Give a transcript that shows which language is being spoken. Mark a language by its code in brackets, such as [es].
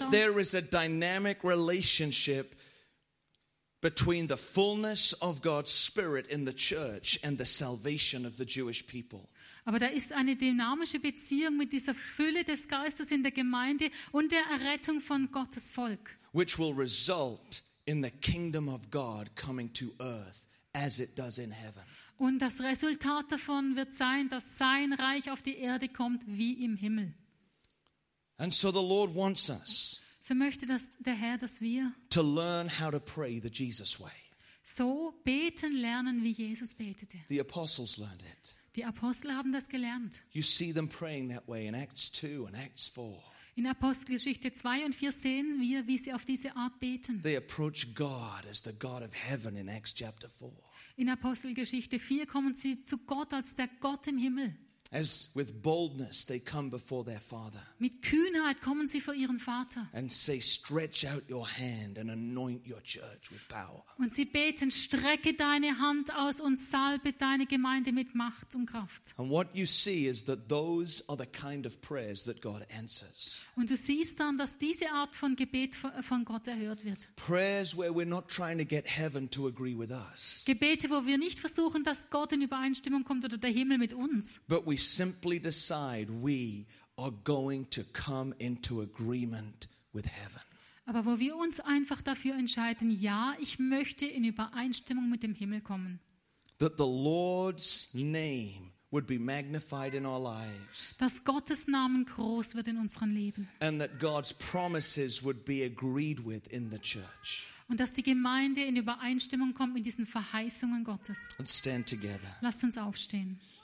[en] But there is a dynamic relationship between the fullness of God's spirit in the church and the salvation of the Jewish people. [de] Aber da ist eine dynamische Beziehung mit dieser Fülle des Geistes in der Gemeinde und der Errettung von Gottes Volk. [en] Which will result in the kingdom of God coming to earth as it does in heaven. [de] Und das Resultat davon wird sein, dass sein Reich auf die Erde kommt wie im Himmel. [en] And so the Lord wants us. [de] So möchte das der Herr, dass wir [en] to learn how to pray the Jesus way. [de] So beten lernen, wie Jesus betete. [en] The apostles learned it. [de] Die Apostel haben das gelernt. [en] You see them praying that way in Acts 2 and Acts 4. [de] In Apostelgeschichte 2 und 4 sehen wir, wie sie auf diese Art beten. [en] They approach God as the God of heaven in Acts chapter 4. [de] In Apostelgeschichte 4 kommen sie zu Gott als der Gott im Himmel. [en] As with boldness they come before their father. [de] Mit Kühnheit kommen sie vor ihren Vater. [en] And say, stretch out your hand and anoint your church with power. [de] Und sie beten, strecke deine Hand aus und salbe deine Gemeinde mit Macht und Kraft. [en] And what you see is that those are the kind of prayers that God answers. [de] Und du siehst dann, dass diese Art von Gebet von Gott erhört wird. [en] Prayers where we're not trying to get heaven to agree with us. [de] Gebete, wo wir nicht versuchen, dass Gott in Übereinstimmung kommt oder der Himmel mit uns. [en] But we simply decide we are going to come into agreement with heaven. [de] Aber wo wir uns einfach dafür entscheiden, ja, ich möchte in Übereinstimmung mit dem Himmel kommen. [en] That the Lord's name would be magnified in our lives. [de] Dass Gottes Namen groß wird in unseren Leben. [en] And that God's promises would be agreed with in the church. [de] Und dass die Gemeinde in Übereinstimmung kommt mit diesen Verheißungen Gottes. [en] Let's stand together. [de] Lasst uns aufstehen.